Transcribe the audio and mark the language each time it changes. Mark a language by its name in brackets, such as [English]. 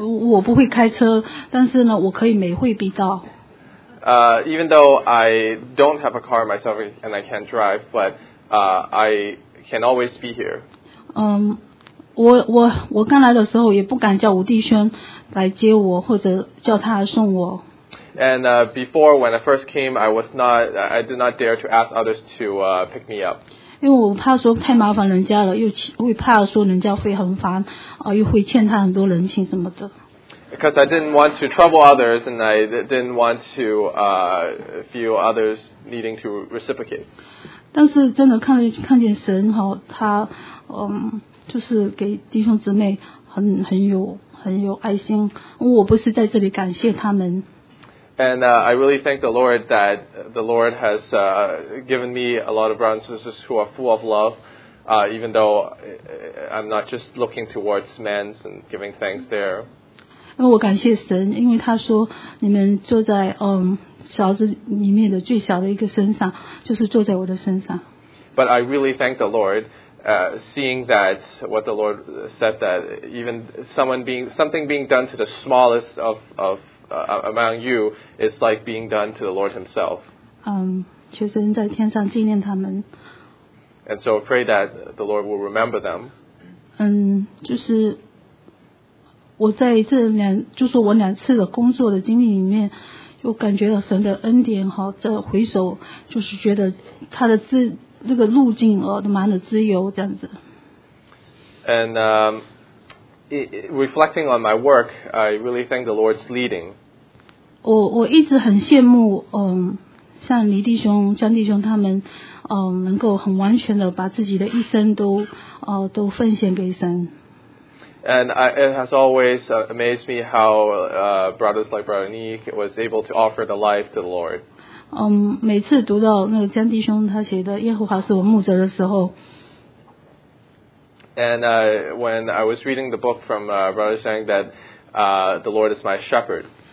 [Chinese] 我不会开车，但是呢，我可以每会必到。 [English] Even though I don't have a car myself and I can't drive, but I can always be here. [Chinese] 我刚来的时候也不敢叫吴弟兄来接我或者叫他送我。 [English] And before when I first came, I did not dare to ask others to pick me up. [Chinese] 因为我怕说太麻烦人家了，又会怕说人家会很烦，又会欠他很多人情什么的。 [English] Because I didn't want to trouble others, and I didn't want to feel others needing to reciprocate. [Chinese] 但是真的看见神哈，他就是给弟兄姊妹很有爱心。我不是在这里感谢他们。 [English] And I really thank the Lord that the Lord has given me a lot of brothers and sisters who are full of love, even though I'm not just looking towards men and giving thanks there. [Chinese] 因为我感谢神，因为他说你们坐在小子里面的最小的一个身上，就是坐在我的身上。 [English] But I really thank the Lord, seeing that what the Lord said that even something being done to the smallest of among you is like being done to the Lord Himself. [Chinese] 求神在天上纪念他们。 [English] And so pray that the Lord will remember them. [Chinese] 就是我在这两，就是我两次的工作的经历里面，就感觉到神的恩典哈。这回首，就是觉得他的这个路径都蛮的自由这样子。 [English] And reflecting on my work, I really thank the Lord's leading. [Chinese] 我一直很羡慕像李弟兄、江弟兄他们能够很完全的把自己的一生都奉献给神。 [English] And it has always amazed me how brothers like Brother Nick was able to offer the life to the Lord. [Chinese] 每次读到那个江弟兄他写的耶和华是我牧者的时候。 [English] And when I was reading the book from Brother Zhang that the Lord is my shepherd.